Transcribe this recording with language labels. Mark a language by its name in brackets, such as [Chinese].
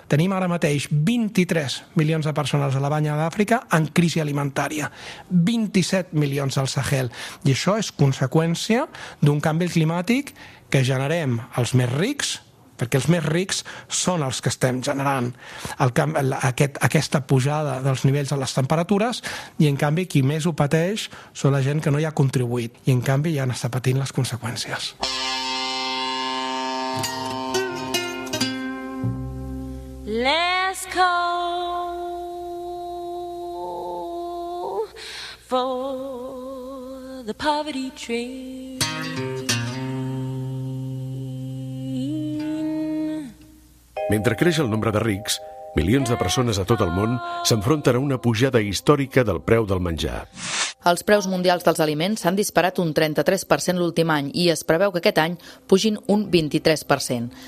[Catalan] Tenim ara mateix 23 milions de persones a la banya d'Àfrica en crisi alimentària, 27 milions al Sahel, i això és conseqüència d'un canvi climàtic que generem els més rics, perquè els més rics són els que estem generant aquesta pujada dels nivells de les temperatures, i en canvi qui més ho pateix són la gent que no hi ha contribuït, i en canvi ja n'està patint les conseqüències. [English] Let's go for the poverty train. [Catalan] Mentre creix el nombre de rics, milions de persones a tot el món s'enfronten a una pujada històrica del preu del menjar. Els preus mundials dels aliments s'han disparat un 33% l'últim any i es preveu que aquest any pugin un 23%.